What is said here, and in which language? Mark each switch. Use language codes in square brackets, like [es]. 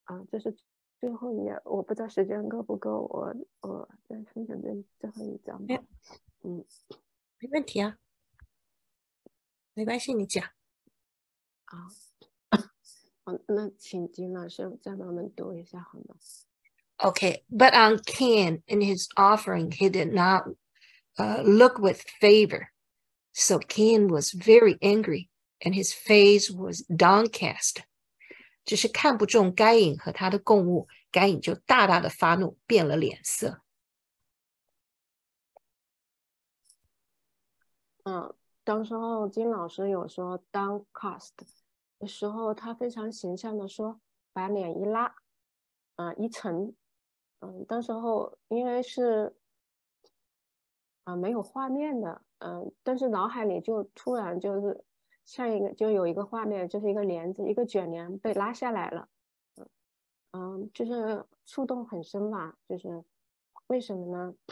[zh] 这是最后一页，我不知道时间够不够，我再分享这最后一张吧。没问题啊，没关系，你讲。那请金老师再帮我们读一下好吗？ [en] OK， but on Cain in his offering he did not look with favor. So Cain was very angry and his face was downcast. [zh] 只是看不中该隐和他的供物，该隐就大大的发怒，变了脸色。当时候金老师有说 downcast，的时候，他非常形象的说，把脸一拉，一沉，当时候因为是，没有画面的，但是脑海里就突然就是像一个就有一个画面，就是一个帘子，一个卷帘被拉下来了，就是触动很深吧，就是。为什么呢？